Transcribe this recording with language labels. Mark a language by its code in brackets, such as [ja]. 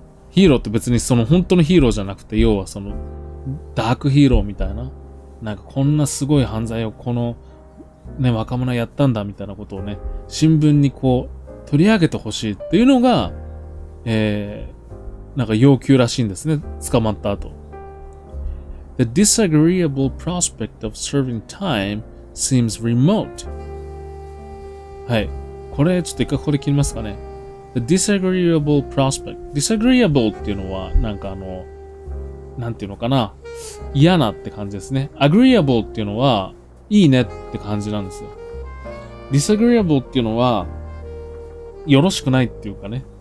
[ja] ヒーローって別にその本当のヒーローじゃなくて、要はそのダークヒーローみたいな、なんかこんなすごい犯罪をこのね若者やったんだみたいなことをね、新聞にこう取り上げてほしいっていうのが、なんか要求らしいんですね、捕まった後。 [en] The disagreeable prospect of serving time seems remote. [ja] はい。これ、ちょっと一回ここで切りますかね。 [en] The disagreeable prospect. [ja] Disagreeable っていうのは、なんかあの、なんていうのかな。嫌なって感じですね。Agreeable っていうのは、いいねって感じなんですよ。 Disagreeable っていうのは、よろしくないっていうかね。